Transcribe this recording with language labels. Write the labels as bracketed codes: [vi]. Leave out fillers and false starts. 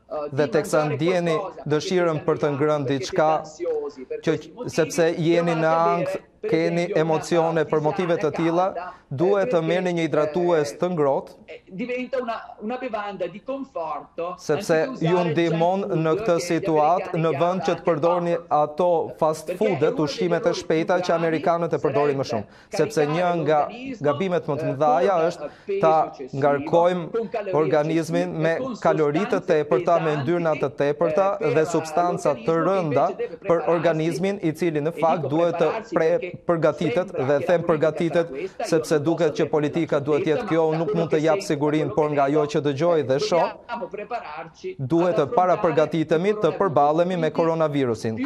[sq] Dhe teksa ndjeni dëshirën për të ngrënë diçka, sepse jeni në ankth, keni emocione për motive të tilla, duhet të merrni një hidratues të ngrohtë. [it] Diventa una bevanda di conforto, [sq] sepse ju ndihmon në këtë situatë në vend që të përdorni ato fast foodet, ushqimet e shpejta që amerikanët e përdorin më shumë, sepse një nga gabimet më të mëdha është ta ngarkojmë organizmin me kalori të tepërta, me yndyrna të tepërta dhe substanca të rënda për organizmin i cili në fakt duhet të përgatitet dhe them përgatitet sepse duket që politika duhet jetë kjo, nuk mund të jap sigurinë, por nga ajo që dëgjoj dhe shoh, duhet të para përgatitemi të përballemi me koronavirusin.